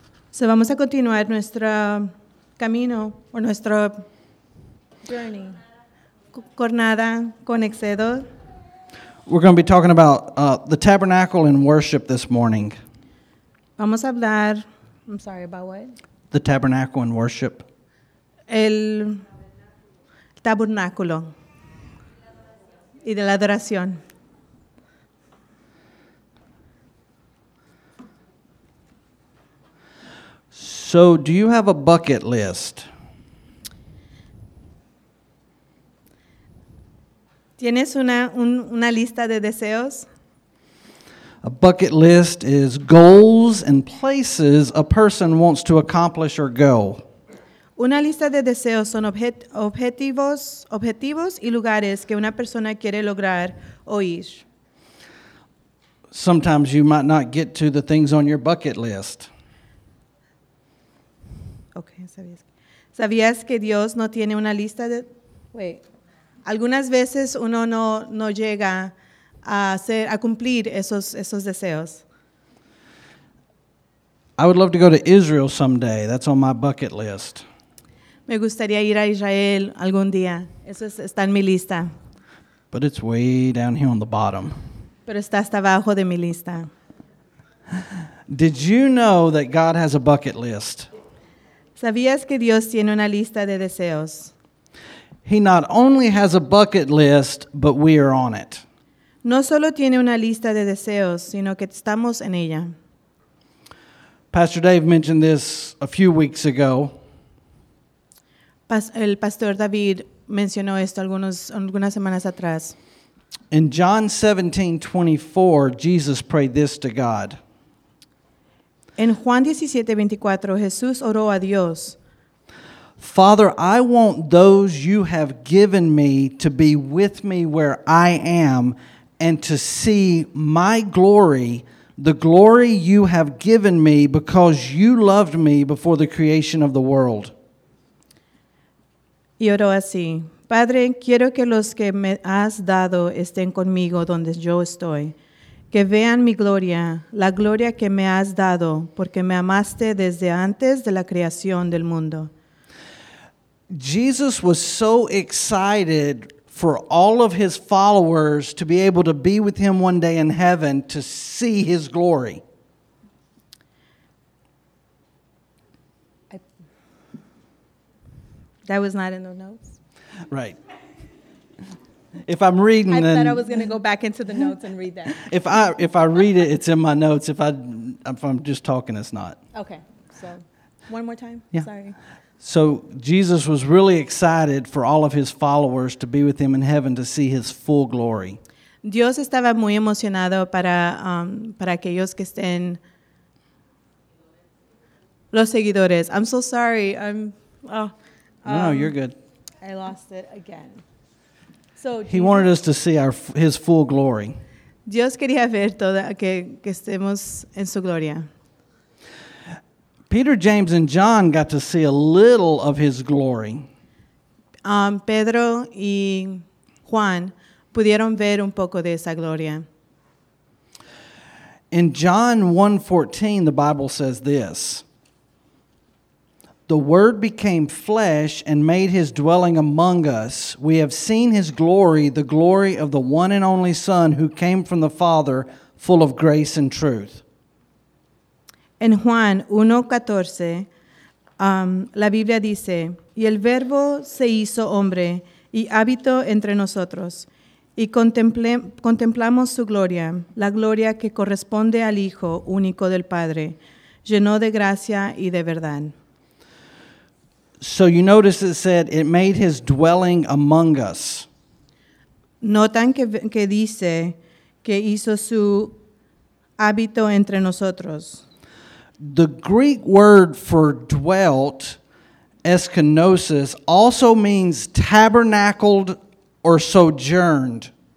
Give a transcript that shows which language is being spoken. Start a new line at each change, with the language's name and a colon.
Spanish: So vamos a continuar nuestro camino o nuestro journey. Jornada con Éxodo.
English: We're going to be talking about the tabernacle and worship this morning.
Spanish: Vamos a hablar,
English: I'm sorry, about what? The tabernacle and worship.
Spanish: El tabernáculo y de la adoración.
English: So, do you have a bucket list?
Spanish: ¿Tienes una lista de deseos?
English: A bucket list is goals and places a person wants to accomplish or go.
Spanish: Una lista de deseos son objetivos y lugares que una persona quiere lograr o ir.
English: Sometimes you might not get to the things on your bucket list.
Spanish: Okay, ¿sabías que Dios no tiene una lista de... Wait. Algunas veces uno no llega a cumplir esos deseos.
English: I would love to go to Israel someday. That's on my bucket list.
Spanish: Me gustaría ir a Israel algún día. Eso está en mi lista.
English: But it's way down here on the bottom.
Spanish: Pero está hasta abajo de mi lista.
English: Did you know that God has a bucket list?
Spanish: ¿Sabías que Dios tiene una lista de deseos?
English: He not only has a bucket list, but we are on it.
Spanish: No solo tiene una lista de deseos, sino que estamos en ella.
English: Pastor Dave mentioned this a few weeks ago.
Spanish: El pastor David mencionó esto algunas semanas atrás.
English: In John 17:24, Jesus prayed this to God.
Spanish: En Juan 17:24, Jesús oró a Dios.
English: Father, I want those you have given me to be with me where I am and to see my glory, the glory you have given me because you loved me before the creation of the world.
Spanish: Y oro así. Padre, quiero que los que me has dado estén conmigo donde yo estoy. Que vean mi gloria, la gloria que me has dado porque me amaste desde antes de la creación del mundo.
English: Jesus was so excited for all of his followers to be able to be with him one day in heaven to see his glory. That was not in the notes. Right. If I'm reading, I then, thought I was going to go back into the notes and read that. If I read it, it's in my notes. If I'm just talking, it's not. Okay. So one more time. Yeah. Sorry. So Jesus was really excited for all of his followers to be with him in heaven to see his full glory.
Spanish: Dios estaba muy emocionado para aquellos que estén los seguidores.
English: I'm so sorry. No, you're good. I lost it again. So he Jesus, wanted us to see his full glory.
Spanish: Dios quería ver toda que estemos en su gloria.
English: Peter, James, and John got to see a little of his glory.
Spanish: Pedro y Juan pudieron ver un poco de esa gloria.
English: In John 1:14, the Bible says this. The Word became flesh and made His dwelling among us. We have seen His glory, the glory of the one and only Son who came from the Father, full of grace and truth.
Spanish: En Juan 1:14, la Biblia dice, Y el Verbo se hizo hombre y habitó entre nosotros, y contemplamos su gloria, la gloria que corresponde al Hijo único del Padre, lleno de gracia y de verdad.
English: So you notice it said it made His dwelling among us.
Spanish: Notan que dice que hizo su hábito entre nosotros.
English: The Greek word for dwelt, eskenosis, also means tabernacled or sojourned.